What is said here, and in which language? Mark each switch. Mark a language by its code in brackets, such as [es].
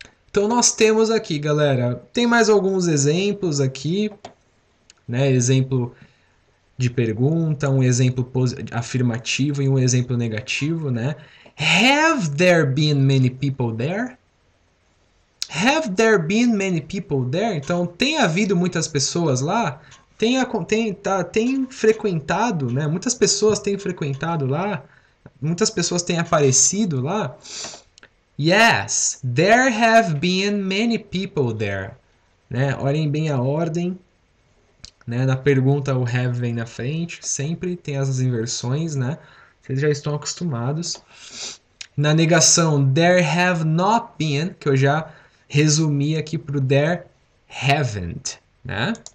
[pt] Então nós temos aqui, galera. Tem mais alguns exemplos aqui, né? Exemplo de pergunta, um exemplo afirmativo e um exemplo negativo, né? [en] Have there been many people there? Have there been many people there? [pt] Então, tem havido muitas pessoas lá? Tem frequentado, né? Muitas pessoas têm frequentado lá? Muitas pessoas têm aparecido lá? [en] Yes, there have been many people there. [pt] Né? Olhem bem a ordem. Né? Na pergunta, o have vem na frente, sempre tem essas inversões, né? Vocês já estão acostumados. Na negação, [en] there have not been, [pt] que eu já resumi aqui para o [en] there haven't, [pt] né?